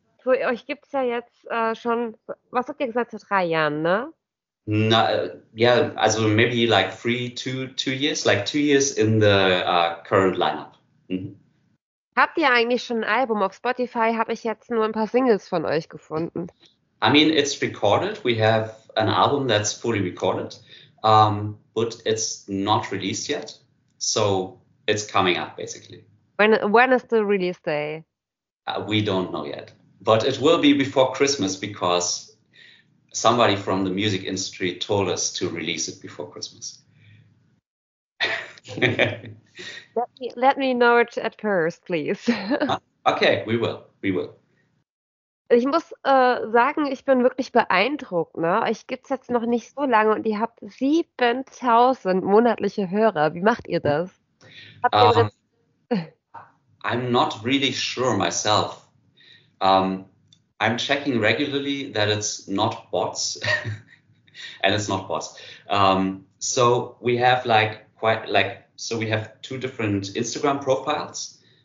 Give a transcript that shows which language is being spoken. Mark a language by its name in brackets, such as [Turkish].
[German] Für euch gibt es ja jetzt schon, was habt ihr gesagt, seit 3 Jahren, ne? [English] No, yeah, also maybe like two years in the current lineup. Mm-hmm. [German] Habt ihr eigentlich schon ein Album? Auf Spotify habe ich jetzt nur ein paar Singles von euch gefunden. [English] I mean, it's recorded. We have an album that's fully recorded, but it's not released yet. So it's coming up, basically. When is the release day? We don't know yet. But it will be before Christmas because somebody from the music industry told us to release it before Christmas. Let me know it at first, please. Okay, we will. [German] Ich muss sagen, ich bin wirklich beeindruckt. Ne? Euch gibt es jetzt noch nicht so lange und ihr habt 7.000 monatliche Hörer. Wie macht ihr das? [English] I'm not really sure myself. I'm checking regularly that it's not bots. And it's not bots. So we have like quite like, so we have two different Instagram profiles.